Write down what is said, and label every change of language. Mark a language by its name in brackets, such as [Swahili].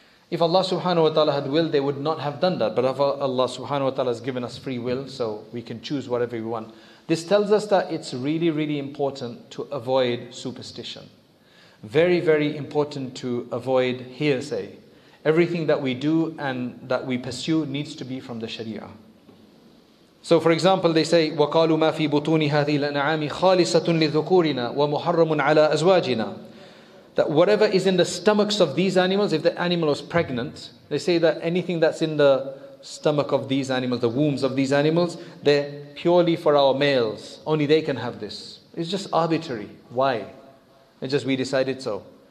[English] If Allah subhanahu wa ta'ala had willed, they would not have done that. But Allah subhanahu wa ta'ala has given us free will, so we can choose whatever we want. This tells us that it's really, really important to avoid superstition. Very, very important to avoid hearsay. Everything that we do and that we pursue needs to be from the Sharia. [Arabic] So for example, they say, وَقَالُوا مَا فِي بُطُونِ هَذِي الْأَنْعَامِ خَالِصَةٌ لِذُكُورِنَا وَمُحَرَّمٌ عَلَىٰ أَزْوَاجِنَا. [English] That whatever is in the stomachs of these animals, if the animal was pregnant, they say that anything that's in the stomach of these animals, the wombs of these animals, they're purely for our males. Only they can have this. It's just arbitrary. Why? It's just we decided so.